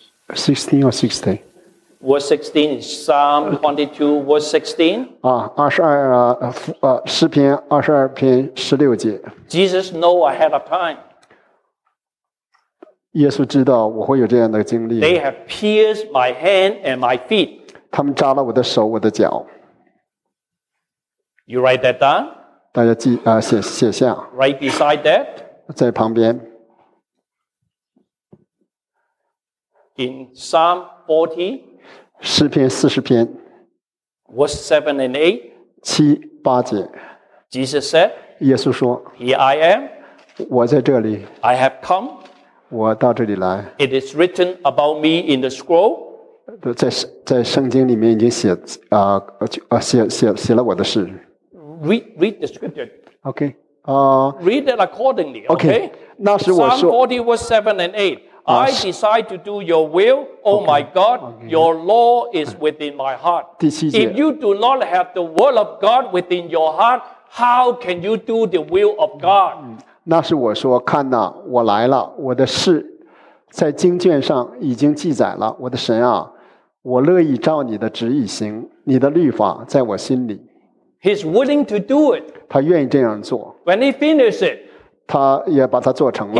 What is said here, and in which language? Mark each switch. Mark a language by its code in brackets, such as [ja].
[en] 16 or 60? Verse 16 is Psalm 22, verse 16. [zh] 22篇16节. [en] Jesus know ahead of time. [zh] 耶稣知道我会有这样的经历。 [en] They have pierced my hand and my feet. [zh] 他们扎了我的手,我的脚。 [en] You write that down? [zh] 大家写下。 [en] Right beside that? [zh] 在旁边。 [en] In Psalm 40, [zh] 诗篇40篇, [en] verse 7 and 8, [zh] 7-8节, [en] Jesus said, [zh] 耶稣说, [en] Here I am, [zh] 我在这里, [en] I have come, [zh] 我到这里来, [en] it is written about me in the scroll, [zh] 在圣经里面已经写了我的事, [en] read the scripture, okay. read it accordingly. Okay. Okay? [zh] 那是我说, [en] Psalm 40, verse 7 and 8. I decide to do your will, oh my God, your law is within my heart. [zh] 第七节, [en] if you do not have the word of God within your heart, how can you do the will of God? [zh] 那是我说，看哪，我来了，我的事在经卷上已经记载了。我的神啊，我乐意照你的旨意行，你的律法在我心里。 [en] He's willing to do it. [zh] 他愿意这样做。 [en] When he finished it, [zh] 他也把它做成了。